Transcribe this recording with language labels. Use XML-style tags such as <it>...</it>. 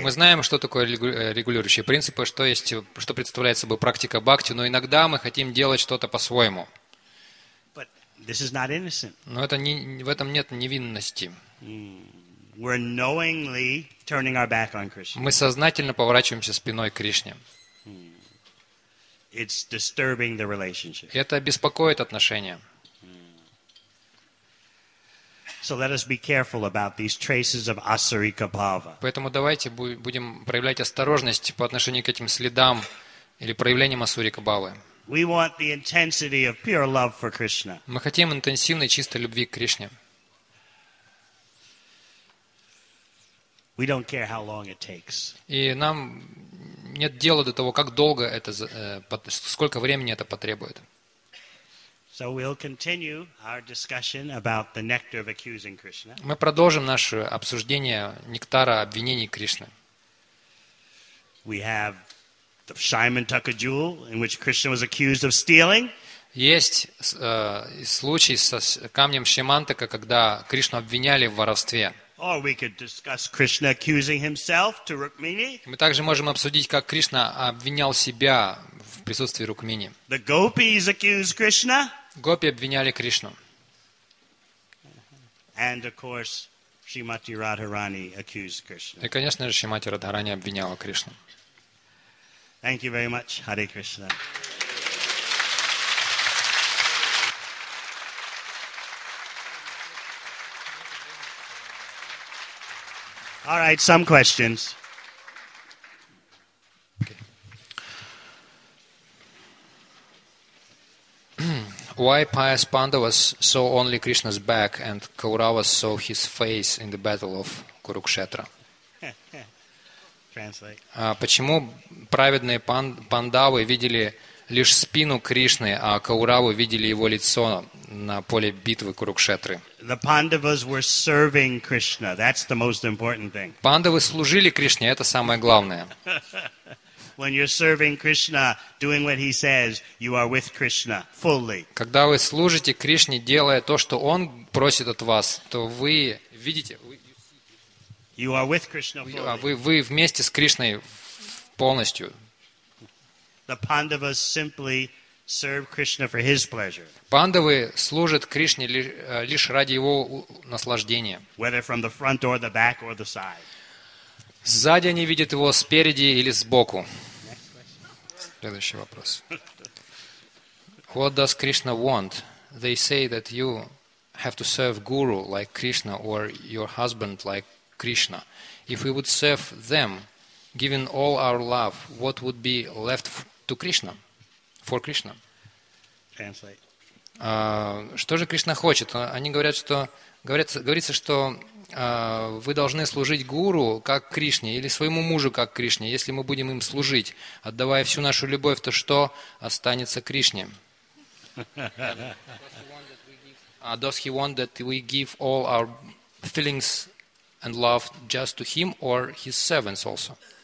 <ru>Мы знаем, что такое регулирующие принципы, что представляет собой практика бхакти, но иногда мы хотим делать что-то по-своему.</ru> <en>But this is not innocent.</en> <ru>Но это не, в этом нет невинности.</ru> <en>We're knowingly turning our back on Krishna.</en> <ru>Мы сознательно поворачиваемся спиной к Кришне.</ru> <en>It's disturbing the relationship.</en> <ru>Это беспокоит отношения.</ru> <en>So let us be careful about these traces of asarika bhava.</en> <ru>Поэтому давайте будем проявлять осторожность по отношению к этим следам или проявлениям асурика бхавы.</ru> <en>We want the intensity of pure love for Krishna.</en> <ru>Мы хотим интенсивной чистой любви к Кришне.</ru> <en>We don't care how long it takes.</en> <ru>И нам нет дела до того, как долго это, сколько времени это потребует.</ru> <en>So we'll continue our discussion about the nectar of accusing Krishna.</en> <ru>Мы продолжим наше обсуждение нектара обвинений Кришны.</ru> <en>We have the Shyamantaka jewel, in which Krishna was accused of stealing.</en> <ru>Есть случай со камнем Шьямантака, когда Кришну обвиняли в воровстве.</ru> <en>Or we could discuss Krishna accusing himself to Rukmini.</en> <ru>Мы также можем обсудить, как Кришна обвинял себя в присутствии Рукмини.</ru> <en>The gopis accused Krishna.</en> <ru>Гопи обвиняли Кришну.</ru> <en>And of course, Shrimati Radharani accused Krishna.</en> <ru>И, конечно же, Шримати Радхарани обвиняла Кришну.</ru> <en>Thank you very much, Hare Krishna. All right, some questions. Okay. Why pious Pandavas saw only Krishna's back and Kauravas saw his face in the battle of Kurukshetra? Translate.</en> <ru>Почему праведные пандавы видели лишь спину Кришны, а Кауравы видели его лицо на поле битвы Курукшетры?</ru> <en>The Pandavas were serving Krishna. That's the most important thing.</en> <ru>Пандавы служили Кришне, это самое главное.</ru> <en>When you're serving Krishna, doing what he says, you are with Krishna fully.</en> <ru>Когда вы служите Кришне, делая то, что он просит от вас, то вы видите,</ru> <en>you are with Krishna fully.</en> <ru>Вы вместе с Кришной полностью.</ru> <en>The Pandavas simply serve Krishna for his pleasure.</en> <ru>Пандавы служат Кришне лишь ради его наслаждения.</ru> <en>Whether from the front or the back or the side.</en> <ru>Сзади они видят его, спереди или сбоку. Следующий вопрос.</ru> <en>What does Krishna want? They say that you have to serve Guru like Krishna or your husband like Krishna. If we would serve them, giving all our love, what would be left to Krishna, for Krishna? Translate.</en> <ru>Что же Кришна хочет? Они говорят, что говорится, что вы должны служить гуру как Кришне или своему мужу как Кришне. Если мы будем им служить, отдавая всю нашу любовь, то что останется Кришне?</ru> <en>Does he want that we give all our feelings and love just to him or his servants also?</en>